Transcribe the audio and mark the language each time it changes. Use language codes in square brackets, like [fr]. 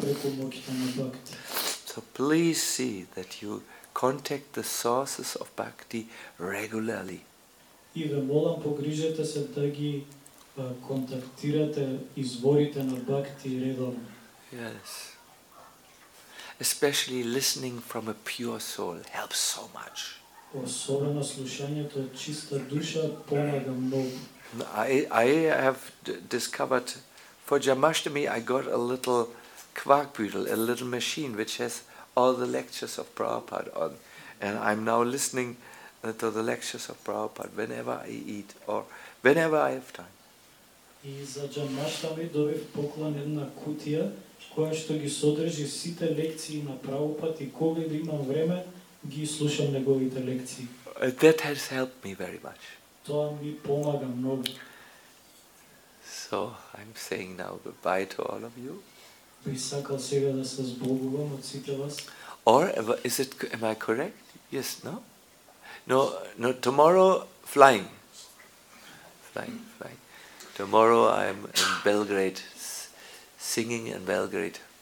[en] So please see that you contact the sources of bhakti regularly. [mk] И ве молам погрижете се да ги контактирате изворите на бхакти редовно. [en] Yes. Especially listening from a pure soul helps so much. [mk] Особено слушањето од чиста душа помага многу. [en] I have discovered for Jamashtami I got a little Quarkbüttel, a little machine which has all the lectures of Prabhupada on, and I'm now listening to the lectures of Prabhupada whenever I eat or whenever I have time. [mk] И за Джамаштами добив поклон една кутија која што ги содржи сите лекции на Прабхупад и кога имам време ги слушам неговите лекции. [en] That has helped me very much. [mk] Тоа ми помага многу. [en] So I'm saying now goodbye to all of you. [mk] Би сакал сега да се зборувам од сите вас. [en] Or is it, am I correct? Yes, no? No, tomorrow flying. Tomorrow I'm in Belgrade, singing in Belgrade.